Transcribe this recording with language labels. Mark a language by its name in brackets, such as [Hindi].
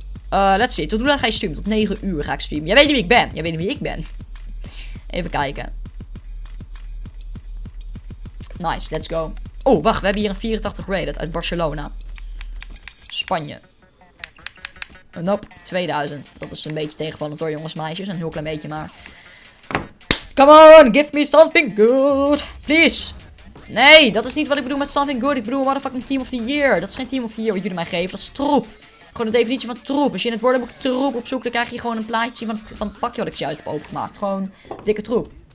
[English] Let's see. [Dutch] Tot hoe lang ga je streamen? Tot 9 uur ga ik streamen. Jij weet niet wie ik ben. Jij weet niet wie ik ben. Even kijken. [English] Nice, let's go. [Dutch] Oh, wacht, we hebben hier een 84 rated uit Barcelona. Spanje. Nope, 2000. Dat is een beetje tegenvallend hoor, jongens, meisjes. Een heel klein beetje, maar... [English] Come on, give me something good. Please. [Dutch] Nee, dat is niet wat ik bedoel met something good. Ik bedoel een motherfucking team of the year. Dat is geen team of the year wat jullie mij geven. Dat is troep. Gewoon een definitie van troep. Als je in het woordenboek troep opzoekt, dan krijg je gewoon een plaatje van het pakje wat ik zojuist heb opengemaakt. Gewoon dikke troep.